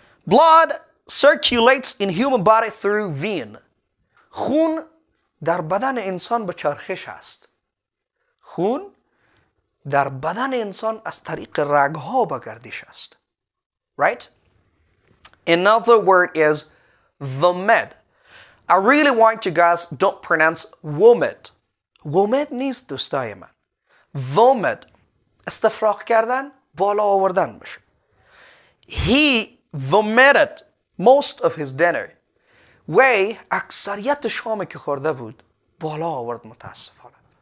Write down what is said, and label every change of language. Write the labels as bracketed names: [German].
[English] Blood circulates in human body through vein. [Persian] خون در بدن انسان به چرخش است. خون در بدن انسان از طریق رگها به گردش است. [English] Right? Another word is vomit. I really want you guys don't pronounce vomit. [Persian] Vomit نیست دوستای من. Vomit استفراغ کردن، بالا آوردن میشه. [English] He vomited most of his dinner. [Persian] وی اکثریت شامی که خورده بود بالا آورد متاسفانه.